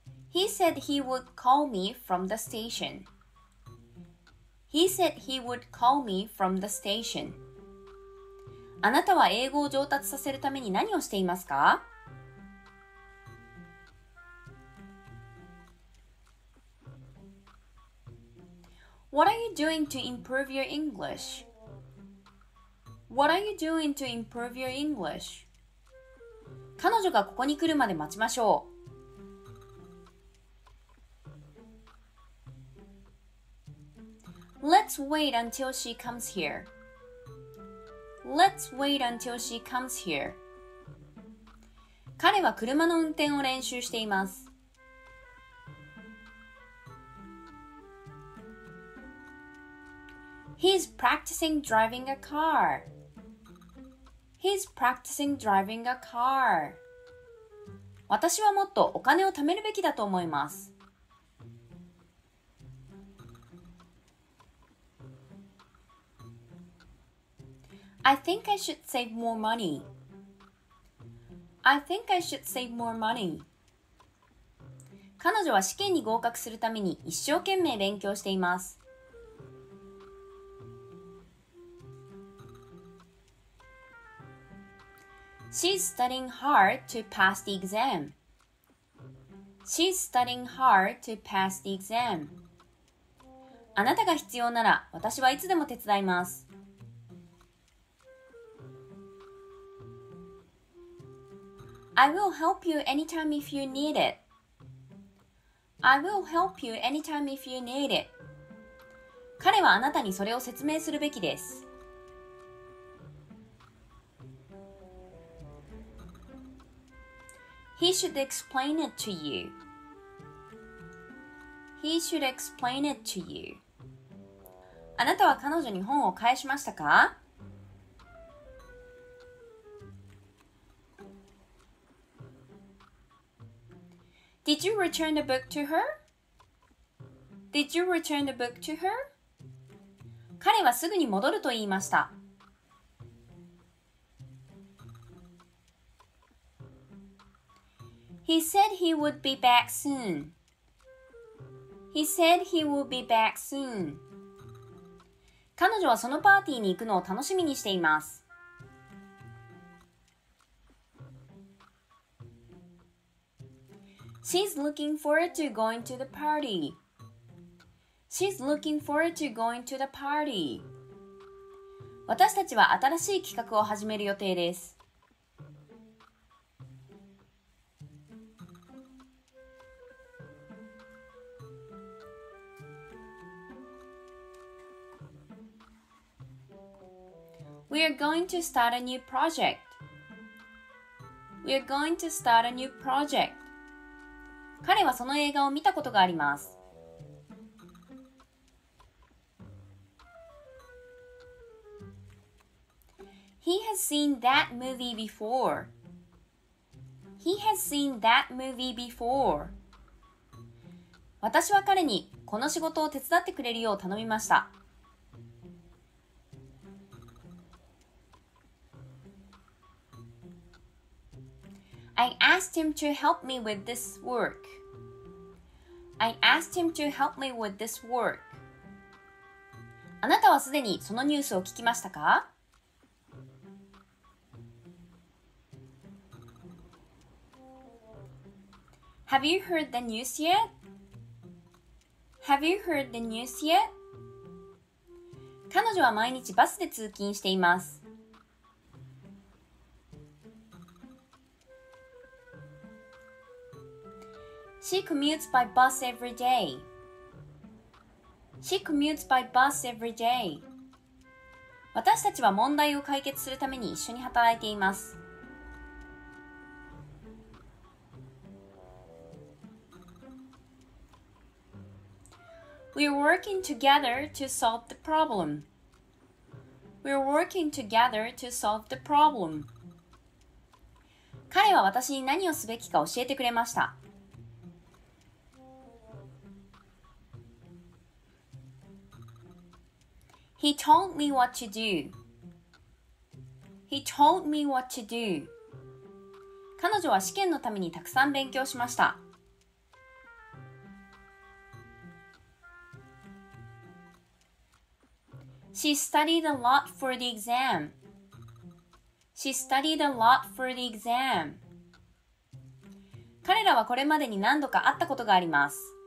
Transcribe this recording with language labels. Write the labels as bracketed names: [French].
[English] He said he would call me from the station. He said he would call me from the station. [Japanese] あなたは英語を上達させるために何をしていますか? [English] What are you doing to improve your English? What are you doing to improve your English? [Japanese] 彼女がここに来るまで待ちましょう。 [English] Let's wait until she comes here. Let's wait until she comes here. [Japanese] 彼は車の運転を練習しています。 [English] He's practicing driving a car. He's practicing driving a car. [Japanese] 私はもっとお金を貯めるべきだと思います。 [English] I think I should save more money. I think I should save more money. [Japanese] 彼女は試験に合格するために一生懸命勉強しています。 [English] She's studying hard to pass the exam. She's studying hard to pass the exam. [Japanese] あなたが必要なら、私はいつでも手伝います。 [English] I will help you anytime if you need it. I will help you anytime if you need it. [Japanese] 彼はあなたにそれを説明するべきです。 [English] He should explain it to you. He should explain it to you. [Japanese] あなたは彼女に本を返しましたか? [English] Did you return the book to her? Did you return the book to her? [Japanese] 彼はすぐに戻ると言いました。 [English] He said he would be back soon. He said he would be back soon. [Japanese] 彼女はそのパーティーに行くのを楽しみにしています。 [English] She's looking forward to going to the party. She's looking forward to going to the party. [Japanese] 私たちは新しい企画を始める予定です。 [English] We are going to start a new project. We are going to start a new project. [Japanese] 彼はその映画を見たことがあります。 [English] He has seen that movie before. He has seen that movie before. [Japanese] 私は彼にこの仕事を手伝ってくれるよう頼みました。 [English] I asked him to help me with this work. I asked him to help me with this work. [Japanese] あなたはすでにそのニュースを聞きましたか? [English] Have you heard the news yet? Have you heard the news yet? [Japanese] 彼女は毎日バスで通勤しています。 [English] She commutes by bus every day. She commutes by bus every day. [Japanese] 私たちは問題を解決するために一緒に働いています。 [English] We're working together to solve the problem. We're working together to solve the problem. [Japanese] 彼は私に何をすべきか教えてくれました。 [English] He told me what to do. He told me what to do. [Japanese] 彼女は試験のためにたくさん勉強しました。 [English] She studied a lot for the exam. She studied a lot for the exam. [Japanese] 彼らはこれまでに何度か会ったことがあります。